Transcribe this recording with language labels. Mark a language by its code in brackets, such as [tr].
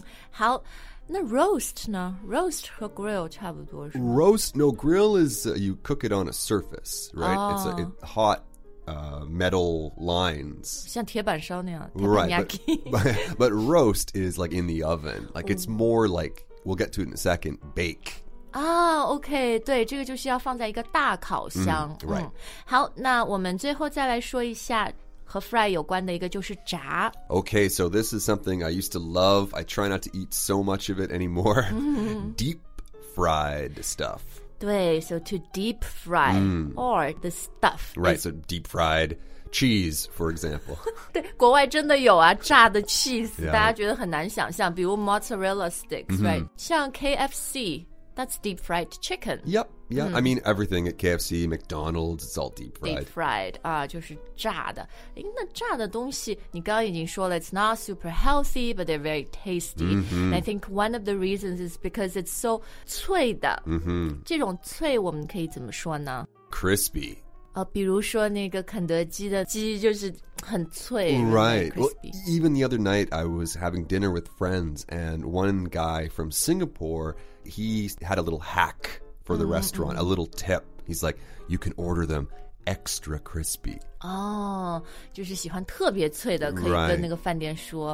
[zh] 好，那 roast 呢？Roast 和 grill 差不多是吗？ [en] Roast, no, grill is you cook it on a surface, right? It's a hot metal lines. [zh] 像铁板烧那样。 [en] Right, but roast is like in the oven. Like it's more like... We'll get to it in a second. Bake. Okay. [zh] 对，这个就是要放在一个大烤箱。好，那我们最后再来说一下和 fry 有关的一个就是炸。 [en] Okay, so this is something I used to love. I try not to eat so much of it anymore. Deep fried stuff. 对 so to deep fry or the stuff. Right, so deep fried cheese, for example. [zh] 对，国外真的有啊，炸的 cheese, 大家觉得很难想象，比如 [en] mozzarella sticks, right? [zh] 像 [en] KFC, that's deep fried chicken. Yep, yeah, I mean everything at KFC, McDonald's, it's all deep fried. Deep fried, [zh] 就是炸的。那炸的东西，你刚刚已经说了, [en] it's not super healthy, but they're very tasty. And I think one of the reasons is because it's so [zh] 脆的。这种脆我们可以怎么说呢? [en] Crispy. [zh] 比如说那个肯德基的鸡就是很脆 [en] Right, well, even the other night I was having dinner with friends and one guy from Singapore, he had a little hack for the restaurant, a little tip. He's like, you can order them extra crispy. [zh] Oh, 就是喜欢特别脆的可以跟那个饭店说。